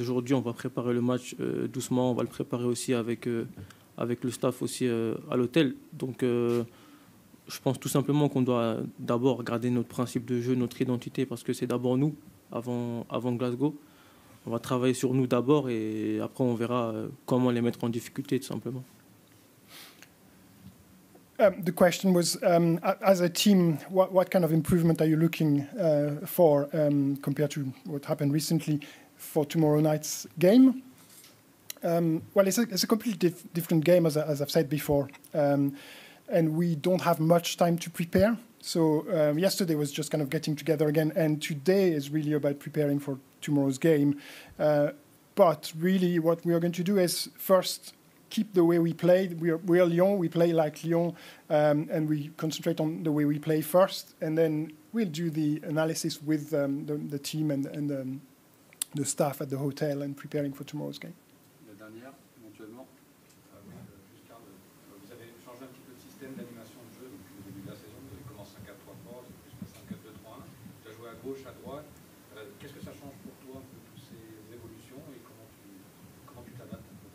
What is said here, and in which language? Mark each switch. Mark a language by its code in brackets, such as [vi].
[fr] Aujourd'hui, on va préparer le match doucement. On va le préparer aussi avec le staff aussi à l'hôtel. Donc, je pense tout simplement qu'on doit d'abord garder notre principe de jeu, notre identité, parce que c'est d'abord nous, avant Glasgow. On va travailler sur nous d'abord, et après, on verra comment les mettre en difficulté, tout simplement. [en] The question was, as a team, what kind of improvement are you looking for compared to what happened recently for tomorrow night's game? Well, it's a completely different game, as I've said before, and we don't have much time to prepare. So yesterday was just kind of getting together again, and today is really about preparing for tomorrow's game. But really what we are going to do is first keep the way we play. We are Lyon, we play like Lyon, and we concentrate on the way we play first, and then we'll do the analysis with the team and the staff at the hotel and preparing for tomorrow's game. [fr] La dernière, éventuellement, vous avez changé un petit peu de système d'animation de jeu depuis le début de la saison. Vous avez commencé en 4-3-3, vous avez passé en 4-2-3-1, tu as joué à gauche, à droite. Qu'est-ce que ça change pour toi, toutes ces évolutions, et comment tu t'adaptes?